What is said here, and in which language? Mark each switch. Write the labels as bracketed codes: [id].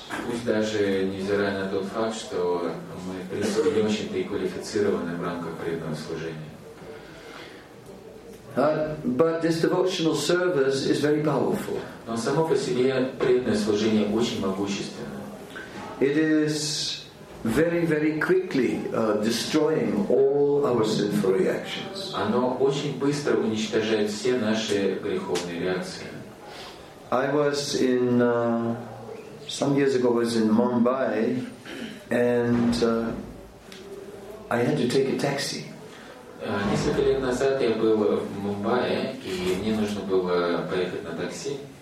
[ru] Пусть даже невзирая на тот факт, что мы, в принципе, не очень-то и квалифицированы в рамках преданного служения. [en] But this devotional service is very powerful. [ru] Но само по себе преданное служение очень могущественно. [en] It is very, very quickly destroying all our sinful reactions. [ru] Оно очень быстро уничтожает все наши греховные реакции. [en] I was in some years ago. I was in Mumbai, and I had to take a taxi. [ru] Несколько лет назад я был в Мумбаи, и мне нужно было поехать на такси.